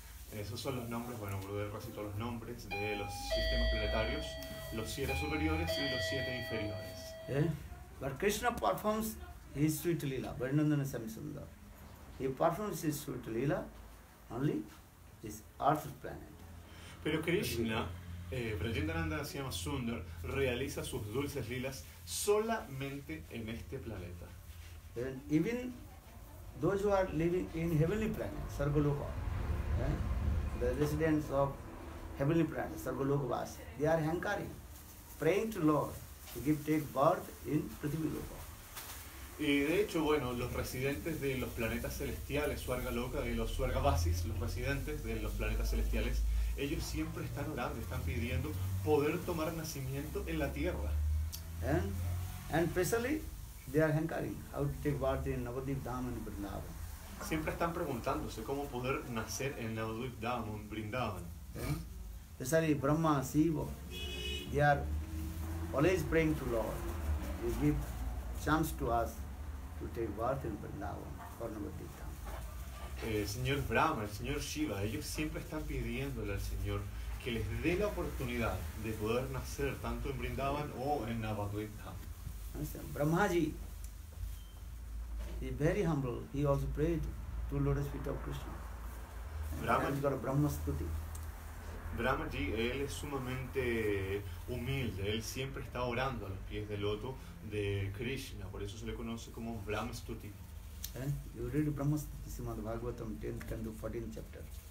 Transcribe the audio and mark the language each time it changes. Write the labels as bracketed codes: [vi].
[es] Esos son los nombres, bueno, Gurudev recitó los nombres de los sistemas planetarios, los 7 superiores y los 7 inferiores. [en] But Krishna performs his sweet lila, Vrindavana Samsundar. He performs his sweet lila only this earth planet. [es] Pero Krishna, Vrindavana Samsundar, realiza sus dulces lilas solamente en este planeta. [en] Even those who are living in heavenly planet, Sarvaloka, the residents of heavenly planet, Sarvaloka Vasa, they are hankering, praying to Lord to give take birth in Prithivi Loka. [es] Y de hecho, bueno, los residentes de los planetas celestiales, Swargaloka y los Swargavasis, los residentes de los planetas celestiales, ellos siempre están orando, están pidiendo poder tomar nacimiento en la Tierra. [en] And especially they are hankering how to take birth in Navadvip Dham and Vrindavan. [es] Siempre están preguntándose cómo poder nacer en Navadvip Dham and Vrindavan. [en] Especially Brahma, Siva, they are always praying to Lord to give chance to us to take birth in Vrindavan for Navadvip Dham. [es] Señor Brahma, el señor Shiva, ellos siempre están pidiéndole al Señor que les dé la oportunidad de poder nacer tanto en Vrindavan o en Navadvip Dham. [en] Brahmaji, he very humble, he also prayed to Lotus Feet of Krishna. Brahmaji got a Brahma Stuti. [es] Brahmaji, él es sumamente humilde, él siempre está orando a los pies del loto de Krishna, por eso se le conoce como Brahma Stuti. [en] You read Brahma Stuti, Srimad Bhagavatam, 10th canto, 14th chapter.